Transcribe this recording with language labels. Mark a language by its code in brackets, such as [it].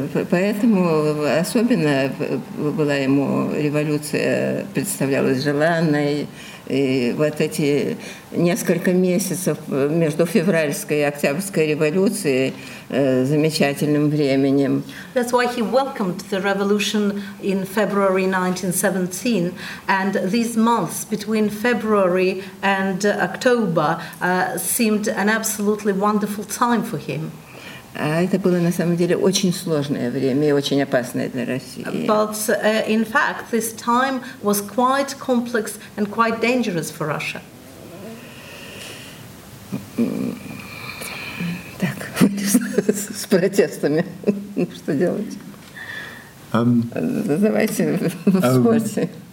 [ru] Поэтому особенно была ему революция представлялась желанной, и вот эти несколько месяцев между февральской и октябрьской революцией замечательным временем. [en] That's why he welcomed the revolution in February 1917, and these months between February and October seemed an absolutely wonderful time for him. [ru] А это было на самом деле очень сложное время и очень опасное для России. [en] But in fact, this time was quite complex and quite dangerous for Russia. [ru] Так, с протестами. Что делать? Давайте вспомните.